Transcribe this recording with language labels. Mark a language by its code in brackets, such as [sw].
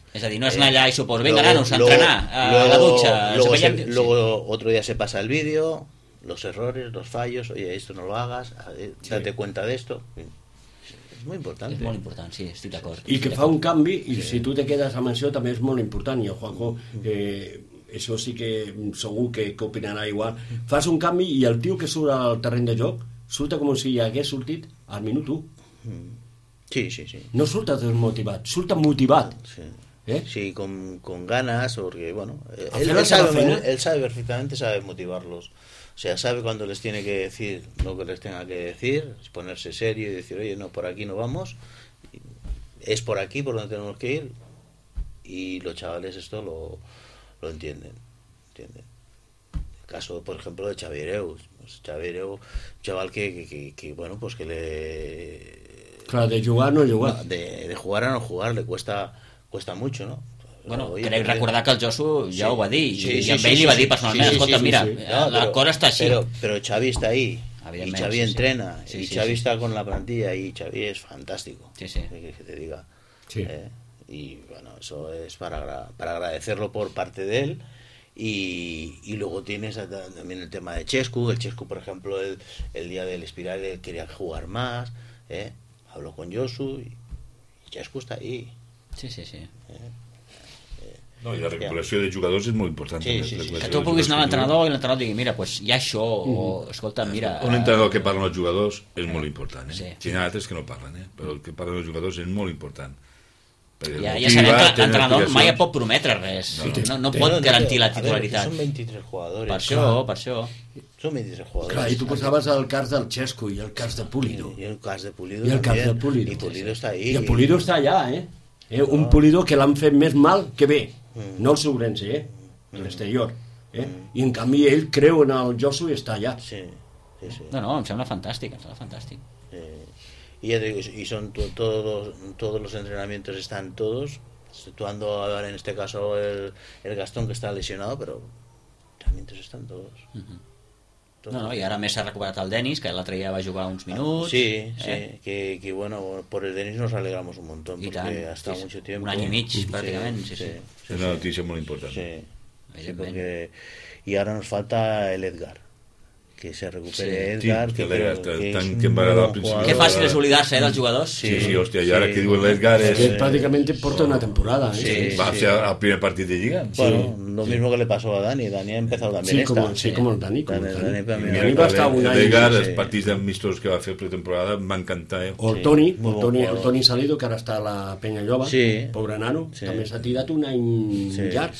[es] Es decir, no es allá y supongo, venga, ganos, entrenar, a la ducha. Luego otro día se pasa el vídeo, los errores, los fallos, oye, esto no lo hagas, date cuenta de esto. Es muy importante. Es muy importante, sí, estoy de acuerdo. Y que fa un cambio, y sí. Si tú te quedas a mansión también es muy importante, y a Juanjo... [ca] Això sí que segur que opinarà igual. Fas un canvi i el tio que surt al terreny de joc surt com si hagués sortit al minut 1. Sí, sí, sí. No surta desmotivat, surta motivat. [es] Sí, sí, con ganas, porque, bueno, él sabe perfectamente, sabe motivarlos. O sea, sabe cuándo les tiene que decir lo que les tenga que decir, ponerse serio y decir, oye, no, por aquí no vamos, es por aquí por donde tenemos que ir, y los chavales esto lo entienden, ¿entienden? El caso, por ejemplo, de Xavi Hereu, un chaval que bueno, pues que le... Claro, de jugar no jugar. De jugar a no jugar le cuesta mucho, ¿no? [ca] Bueno, crec recordar que el Josu ja sí, ho va dir, sí, i amb sí, ell sí, li va dir personalment, sí, escolta, sí, sí, mira, sí. No, la cosa està així. Però Xavi està ahí, i Xavi sí, entrena, sí, i sí, Xavi sí, està [es] con la plantilla, [ca] i Xavi és fantàstic, sí, sí. [es] Que te diga. Sí. I, bueno, eso es para agradecerlo por parte de él, y luego tienes también el tema de Xescu, por ejemplo, el día del Espiral, él quería jugar más, habló con Josu, y Xescu está ahí. Sí, sí, sí. [ca] No, i la recuperació de jugadors és molt important. Sí, sí, sí. Que tu puguis anar a l'entrenador i l'entrenador digui, mira, pues hi ha això, o escolta, mira... Un entrenador que parla amb els jugadors és molt important. Sí. Si hi ha altres que no parlen, però el que parla amb els jugadors és molt important. Ja sabem que l'entrenador mai ja pot prometre res. No pot garantir la titularitat. Són 23 jugadors. Per això. Són 23 jugadors. Clar, i tu posaves el cas del Xescu i el cas de Pulido. I el cas de Pulido. I el cas de Pulido. I Pulido està ahí. I el Pulido està allà, Un Pulido que l'han fet més mal que bé. No el Sobrense, l'exterior, I en canvi ell creu en el Josu i està allà. Sí, sí, sí. No, em sembla fantàstic. Sí. [es] Y ya digo, y son todos los entrenamientos están todos, exceptuando ahora en este caso el Gastón, que está lesionado, pero también están todos. [ca] No, i ara més s'ha recuperat el Denis, que l'altre dia va jugar uns minuts. [es] Sí, sí, que bueno, por el Denis nos alegramos un montón, i porque ha estado sí, mucho tiempo. [ca] Un any i mig, pràcticament, sí. És una notícia molt important. Sí, perquè... I ara ens falta l'Edgar, [es] que se recupere Edgar. [ca] Sí, que Qué fàcil és oblidar-se, dels jugadors. Sí, sí, hòstia, i ara que diu l'Edgar és... Pràcticament porta una temporada, sí. Va ser el primer partit de Lliga. [es] Bueno, lo mismo que le pasó a Dani. Dani ha empezado también esta. Sí, como el Dani. [ca] Dani va estar un any. L'Edgar, els partits d'amistos que va fer pretemporada, m'encantava. O el Toni, el Toni Salido, que ara està a la Penya Llova. Sí. Pobre nano, també s'ha tirat un any llarg.